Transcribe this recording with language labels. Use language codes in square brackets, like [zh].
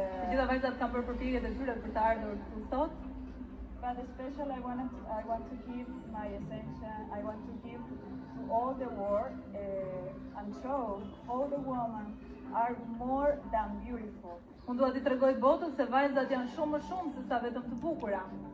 [sq] Gjitha vajzat kanë bërë përpjekjet e tyre për të ardhur këtu sot. [en] But especially I want to give my ascension. I want to give to all the world and show all the women are more than beautiful. [sq] Unë dua t'i tregoj botës se vajzat janë shumë më shumë se sa vetëm të bukura.